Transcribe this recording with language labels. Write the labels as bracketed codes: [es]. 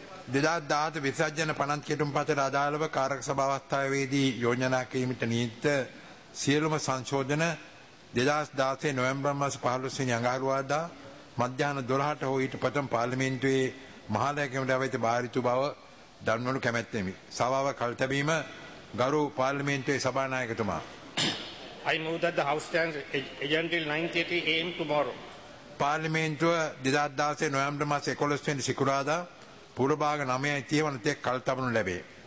[si] දෙදා දාත විසර්ජන පනත් කෙටුම්පතට අදාළව කාරක සභා අවස්ථාවේදී යෝජනා කිරීමට නියුක්ත සියලුම සංශෝධන 2016 නොවැම්බර් මාස 15 වෙනි අඟහරුවාදා මධ්‍යාහන 12ට හෝ ඊට ප්‍රථම පාර්ලිමේන්තුවේ මහලැකමට අවිත බාරිතු බව දන්වනු කැමැත්තෙමි. සභාව කල් තැබීම ගරු පාර්ලිමේන්තුවේ සභානායකතුමා. [en] I move that the house stands until 9:30 AM tomorrow. [si] පාර්ලිමේන්තුව 2016 නොවැම්බර් මාස 11 වෙනි සිකුරාදා පූර්ව භාග 9:30 වෙනතෙක් කල් තබනු ලැබේ.